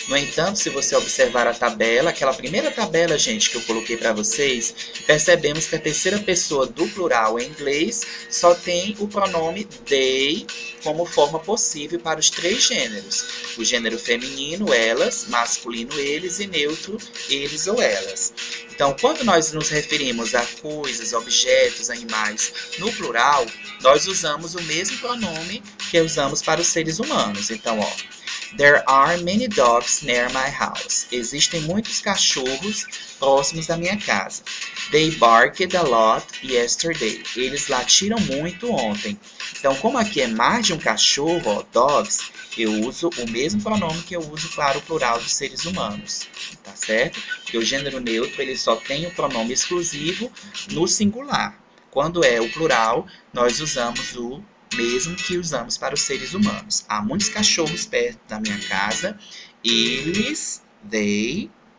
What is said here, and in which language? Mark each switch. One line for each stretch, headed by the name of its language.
Portuguese: No entanto, se você observar a tabela, aquela primeira tabela, gente, que eu coloquei para vocês, percebemos que a terceira pessoa do plural em inglês só tem o pronome they como forma possível para os três gêneros. O gênero feminino, elas, masculino, eles, e neutro, eles ou elas. Então, quando nós nos referimos a coisas, objetos, animais no plural, nós usamos o mesmo pronome que usamos para os seres humanos. Então, ó.
English: There are many dogs near my house.
Portuguese: Existem muitos cachorros próximos da minha casa.
English: They barked a lot yesterday.
Portuguese: Eles latiram muito ontem. Então, como aqui é mais de um cachorro, ó, dogs, eu uso o mesmo pronome que eu uso para o plural dos seres humanos. Tá certo? Porque o gênero neutro, ele só tem o pronome exclusivo no singular. Quando é o plural, nós usamos o mesmo que usamos para os seres humanos. Há muitos cachorros perto da minha casa. Eles, they,